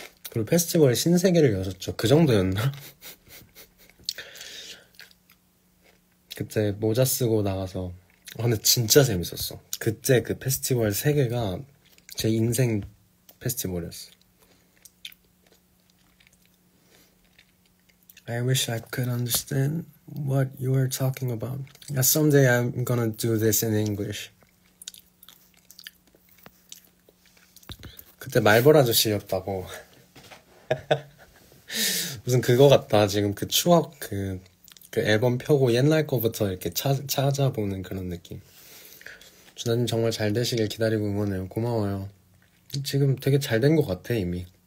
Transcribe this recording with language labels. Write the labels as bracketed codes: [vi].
[ko] 그리고 페스티벌 신세계를 여셨죠. 그 정도였나? 그때 모자 쓰고 나가서. 근데 진짜 재밌었어. 그때 그 페스티벌 세계가 제 인생 페스티벌이었어. [en] I wish I could understand what you are talking about. Yeah, someday I'm gonna do this in English. [ko] 그때 말벌 아저씨였다고. 무슨 그거 같다. 지금 그 추억, 그 앨범 펴고 옛날 거부터 이렇게 찾아보는 그런 느낌. 준하님 정말 잘 되시길 기다리고 응원해요. 고마워요. 지금 되게 잘된거 같아, 이미.